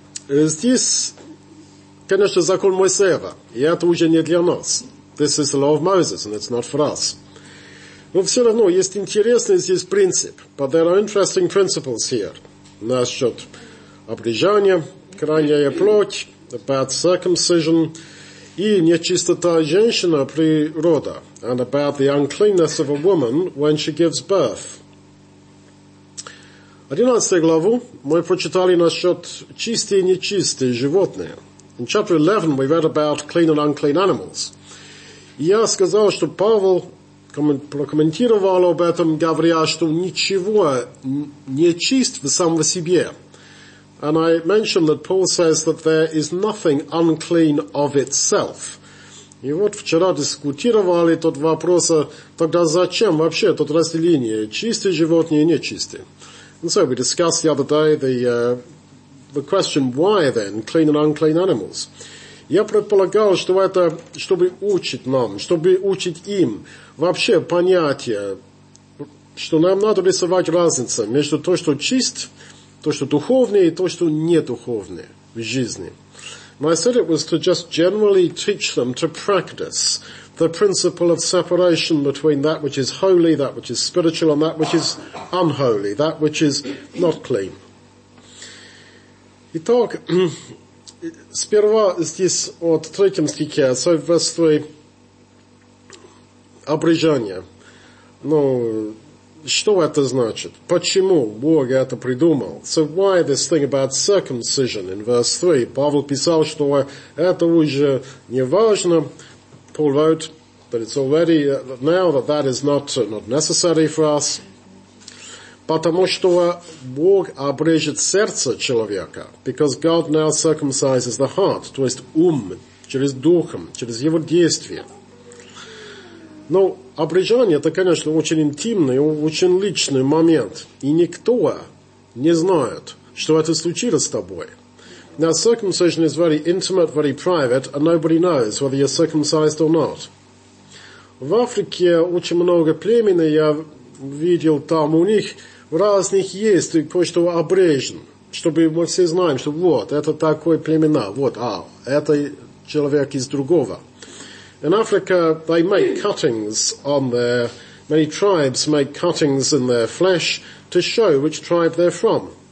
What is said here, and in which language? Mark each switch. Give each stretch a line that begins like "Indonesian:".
Russian: Здесь, конечно, закон Моисеева. И это уже не для нас.
English: This is the law of Moses, and it's not for us.
Russian: Но все равно есть интересный здесь принцип.
English: But there are interesting principles here.
Russian: Насчет обрежания, крайняя плоть,
English: about circumcision,
Russian: и нечистота женщины при рода,
English: and about the uncleanness of a woman when she gives birth.
Russian: 11 главу мы прочитали насчет чистые и нечистые животные.
English: In chapter 11 we read about clean and unclean animals.
Russian: Я сказал, что Павел прокомментировал об этом, говоря, что ничего не чист в самом себе.
English: And I mentioned that Paul says that there is nothing unclean of itself.
Russian: И вот вчера дискутировали тот вопрос, тогда зачем вообще тот разделение, чистые животные и нечистые.
English: And so we discussed the other day the question, why then clean and unclean animals?
Russian: Я предполагал, что это, чтобы учить нам, чтобы учить им вообще понятие, что нам надо рисовать разницу между то, что чист, то, что духовное, и то, что недуховное в жизни.
English: And I said it was to just generally teach them to practice the principle of separation between that which is holy, that which is spiritual, and that which is unholy, that which is not clean.
Russian: Итак, сперва здесь вот в третьем стихе,
English: so verse 3,
Russian: обрежание. Ну, что это значит? Почему Бог это придумал?
English: So why this thing about circumcision in verse 3?
Russian: Павел писал, что это уже не важно.
English: Paul wrote that it's already now that that is not necessary for us.
Russian: Потому что Бог обрежет сердце человека.
English: Because God now circumcises the heart,
Russian: то есть через духом, через его действие. Но обрежание, это, конечно, очень интимный, очень личный момент. И никто не знает, что это случилось с тобой.
English: Now, circumcision is very intimate, very private, and nobody knows whether you're circumcised or not.
Russian: В Африке очень много племен, я видел там, у них в разных есть кое-что обрежен, чтобы мы все знаем, что вот, это такое племена, вот, а, это человек из другого.
English: In Africa, they make cuttings on their, many tribes make cuttings in their flesh to show which tribe they're from.